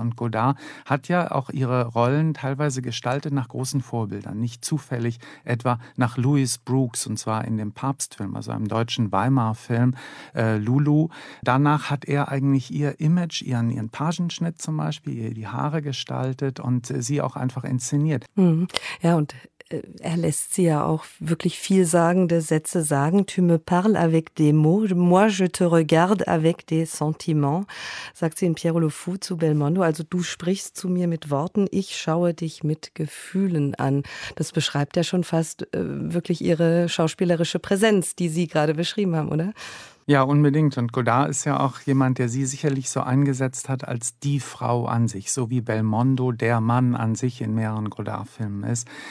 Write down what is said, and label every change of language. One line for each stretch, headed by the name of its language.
German: Und Godard hat ja auch ihre Rollen teilweise gestaltet nach großen Vorbildern, nicht zufällig etwa nach Louis Brooks und zwar in dem Papstfilm, also einem deutschen Weimar-Film Lulu. Danach hat er eigentlich ihr Image, ihren Pagenschnitt zum Beispiel, ihr die Haare gestaltet und sie auch einfach inszeniert. Ja, und er lässt sie ja auch wirklich vielsagende Sätze sagen.
French: Tu me parles avec des mots, moi je te regarde avec des sentiments,
German: sagt sie in Pierre Le Fou zu Belmondo. Also du sprichst zu mir mit Worten, ich schaue dich mit Gefühlen an. Das beschreibt ja schon fast wirklich ihre schauspielerische Präsenz, die Sie gerade beschrieben haben, oder? Ja, unbedingt. Und Godard ist ja auch jemand, der sie sicherlich so eingesetzt hat als die Frau an sich, so wie Belmondo der Mann an sich in mehreren Godard-Filmen ist.